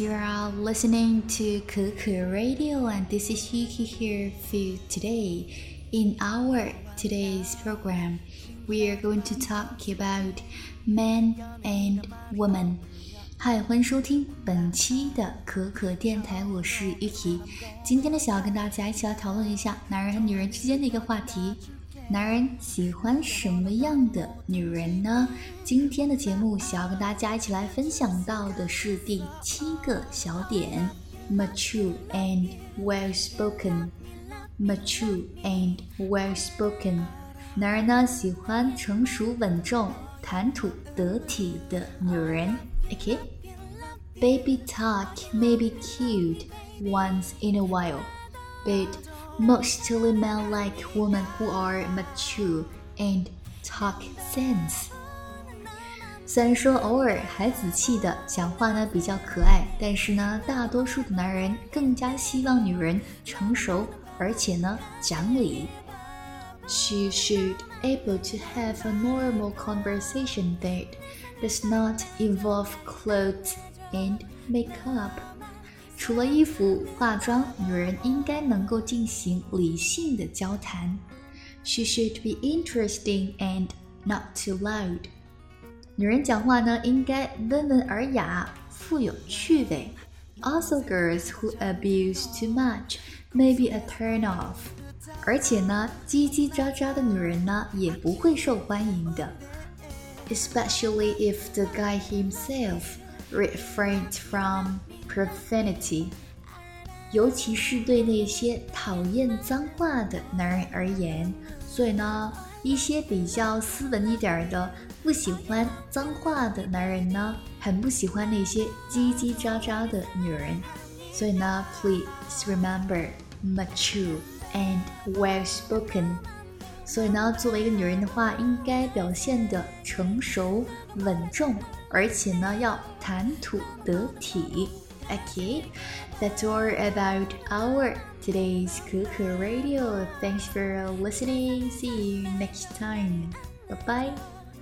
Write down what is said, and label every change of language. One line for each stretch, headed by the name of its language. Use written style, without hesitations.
English: You are listening to Kuku Radio, and this is Yuki here for you today. In our today's program, we are going to talk about men and women.
Chinese: Hi, 欢迎收听本期的可可电台，我是 Yuki。今天呢，想要跟大家一起来讨论一下男人和女人之间的一个话题。男人喜欢什么样的女人呢？今天的节目想要跟大家一起来分享到的是第七个小点 ，
English: mature and well spoken。 mature and well spoken，
Chinese: 男人呢喜欢成熟稳重、谈吐得体的女人。
English: Okay， baby talk may be cute once in a while， but mostly men like women who are mature and talk sense。
Chinese: 虽然说偶尔孩子气的讲话呢比较可爱，但是呢，大多数的男人更加希望女人成熟，而且呢讲理。
English: She should able to have a normal conversation that does not involve clothes and makeup。
Chinese: 除了衣服化妆，女人应该能够进行理性的交谈。
English: She should be interesting and not too loud。
Chinese: 女人讲话呢，应该温文尔雅，富有趣味。
English: Also, girls who abuse too much may be a turn off。
Chinese: 而且呢，叽叽喳喳的女人呢，也不会受欢迎的。
English: Especially if the guy himself refrains from profanity。
Chinese: 尤其是对那些讨厌脏话的男人而言，所以呢，一些比较斯文一点的、不喜欢脏话的男人呢，很不喜欢那些叽叽喳喳的女人。所以呢
English: ，please remember mature and well spoken。
Chinese: 所以呢，作为一个女人的话，应该表现得成熟稳重，而且呢，要谈吐得体。
English: Okay, that's all about our today's Kuku Radio. Thanks for listening. See you next time. Bye-bye.